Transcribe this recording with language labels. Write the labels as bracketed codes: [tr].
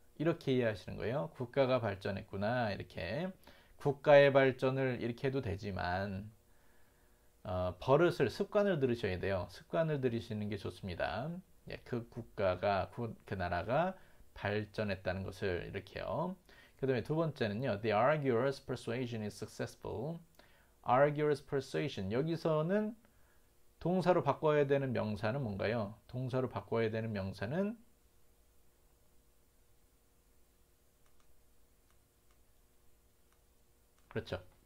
[ko] 이렇게 이해하시는 거예요. 국가가 발전했구나. 이렇게. 국가의 발전을 이렇게 해도 되지만, 버릇을, 습관을 들으셔야 돼요. 습관을 들이시는 게 좋습니다. 예, 그 국가가, 그 나라가 발전했다는 것을 이렇게요. 그 다음에 두 번째는요. [en] The arguer's persuasion is successful. Arguer's persuasion. [ko] 여기서는 동사로 바꿔야 되는 명사는 뭔가요? 동사로 바꿔야 되는 명사는 그렇죠.